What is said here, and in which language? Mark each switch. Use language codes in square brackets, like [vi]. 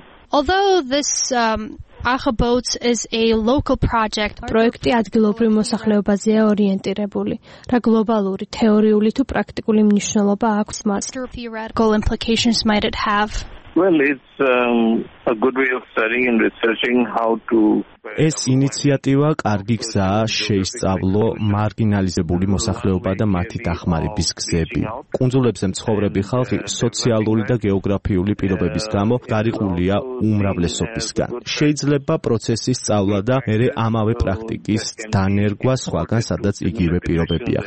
[en] Although this Aha Boats is a local project. [ka] პროექტი ადგილობრივ მოსახლეობაზეა ორიენტირებული. რა გლობალური, თეორიული თუ პრაქტიკული მნიშვნელობა აქვს მას? [en] Practical implications might it have? Well, it's a good way of studying and researching how to [ka] ეს ინიციატივა კარგი გზაა შეისწავლო მარგინალიზებული მოსახლეობა და მათი დახმარების გზები. კუნძულებზე მცხოვრები ხალხი სოციალური და გეოგრაფიული პირობების გამო გარიყულია უმრავლესობისგან. შეიძლება პროცესის სწავლა და მერე ამავე პრაქტიკის დანერგვა სხვაგან, სადაც იგივე პირობებია.